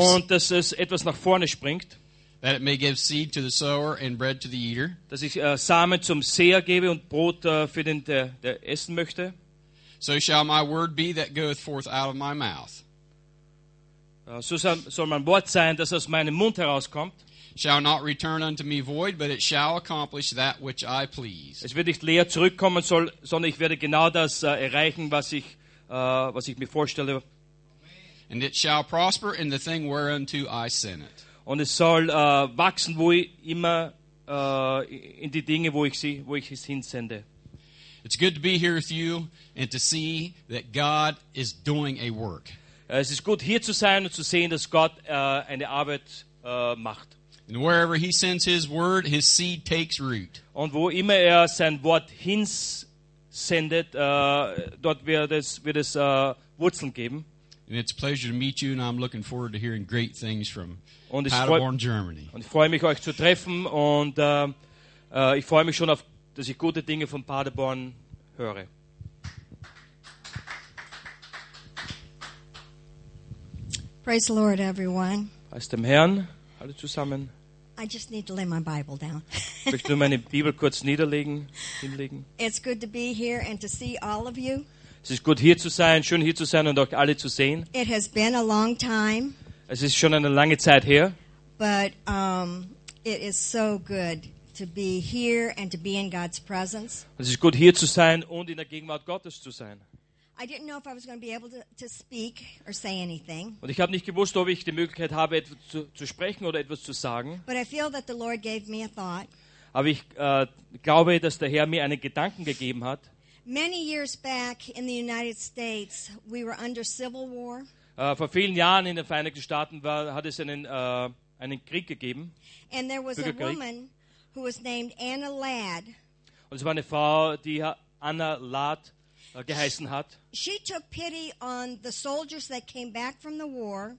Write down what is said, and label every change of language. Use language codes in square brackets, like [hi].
[de] und dass es etwas nach vorne springt. [en] That it may give seed to the sower and bread to the eater. [de] Dass ich Samen zum Seher gebe und Brot für den, der essen möchte. [en] So shall my word be that goeth forth out of my mouth. [de] So soll mein Wort sein, dass aus meinem Mund herauskommt. [en] Shall not return unto me void, but it shall accomplish that which I please. [de] Es wird nicht leer zurückkommen, sondern ich werde genau das erreichen, was ich mir vorstelle. [en] And it shall prosper in the thing whereunto I send it. [de] Und es soll wachsen, wo ich immer in die Dinge, wo ich es hinsende. [en] It's good to be here with you and to see that God is doing a work. [de] Es ist gut hier zu sein und zu sehen, dass Gott eine Arbeit macht. [en] And wherever He sends His word, His seed takes root. [de] Und wo immer er sein Wort hinsendet, dort wird es Wurzeln geben. [en] And it's a pleasure to meet you, and I'm looking forward to hearing great things from Paderborn, Germany. [de] Und ich freue mich, euch zu treffen, und ich freue mich schon auf, dass ich gute Dinge von Paderborn höre. [en] Praise the Lord, everyone. [de] Preist dem Herrn, alle zusammen. [en] I just need to lay my Bible down. [de] Ich möchte nur meine Bibel kurz hinlegen. [en] It's good to be here and to see all of you. [de] Es ist gut, hier zu sein, schön hier zu sein und auch alle zu sehen. [en] It has been a long time, [de] es ist schon eine lange Zeit her. [en] But it is so good to be here and to be in God's presence. [de] Es ist gut, hier zu sein und in der Gegenwart Gottes zu sein. [en] I didn't know if I was going to be able to speak or say anything. [de] Und ich habe nicht gewusst, ob ich die Möglichkeit habe, etwas zu sprechen oder etwas zu sagen. [en] But I feel that the Lord gave me a thought. [de] Aber ich glaube, dass der Herr mir einen Gedanken gegeben hat. [en] Many years back in the United States, we were under civil war. [de] Vor vielen Jahren in den Vereinigten Staaten hat es einen Krieg gegeben. [en] And there was a woman who was named Anna Ladd. [de] Und es war eine Frau, die Anna Ladd geheißen hat. [en] She took pity on the soldiers that came back from the war.